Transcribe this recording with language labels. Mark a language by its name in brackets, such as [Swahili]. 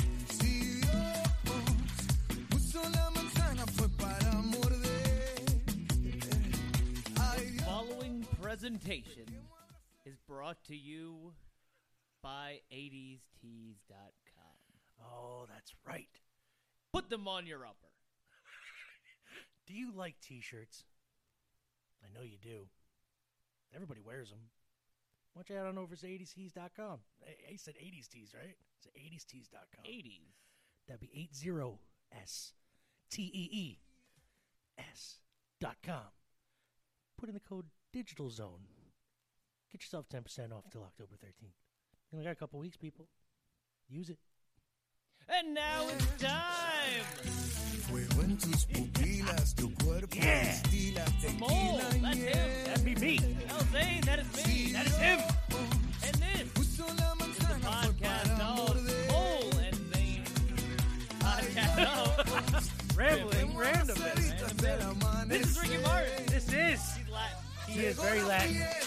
[Spanish] Si Dios puso la manzana, fue para morder. [English] The following presentation is brought to you by 80stees.com. Oh, that's right. Put them on your upper. Do you like t-shirts? I know you do. Everybody wears them. Why don't you head on over to 80stees.com? I said 80stees, right? It's 80stees.com. 80s. That'd be 80stees.com. Put in the code DIGITALZONE. Get yourself 10% off till October 13th. You only got a couple weeks, people. Use it. And now it's time! [Spanish] Fuego en tus pupilas, tu cuerpo destila tequila. [English] That's him. That'd be me. El Zane, that is me. That is him. And this is the podcast of Mole and Zane. Podcast of Rambling Random. This is Ricky Martin. This is. He's Latin. He is very Latin.